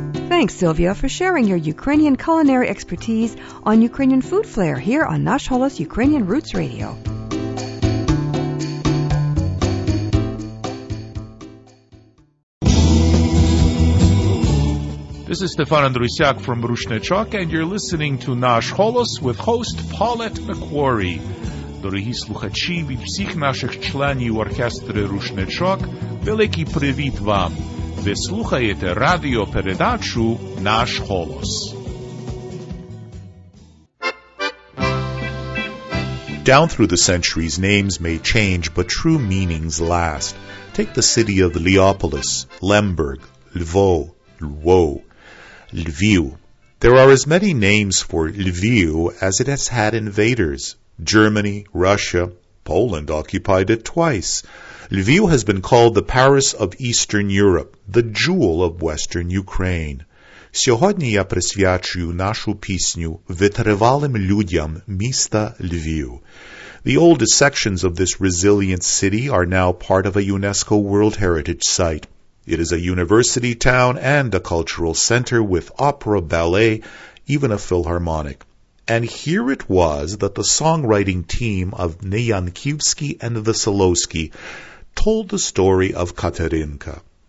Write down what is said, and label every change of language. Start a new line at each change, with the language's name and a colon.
English: Thanks, Sylvia, for sharing your Ukrainian culinary expertise on Ukrainian Food Flair here on Nash Holos Ukrainian Roots Radio. This is Stefan Andrusiak from Rushnechok, and you're listening to Nash Holos with host Paulette McQuarrie.
Ukrainian: Дорогі слухачі, від всіх наших членів оркестри Рушничок, великий привіт вам! Ви слухаєте радіопередачу «Наш голос».
English: Down through the centuries, names may change, but true meanings last. Take the city of Leopolis, Lemberg, Lvov, Lvov, Lviv. There are as many names for Lviv as it has had invaders. Germany, Russia, Poland occupied it twice. Lviv has been called the Paris of Eastern Europe, the jewel of Western Ukraine.
Ukrainian: Сьогодні я присвячую нашу пісню витривалим людям міста Львів.
English: The oldest sections of this resilient city are now part of a UNESCO World Heritage Site. It is a university town and a cultural center with opera, ballet, even a philharmonic. And here it was that the songwriting team of Neyankivsky and Veselovsky told the story of Katerinka.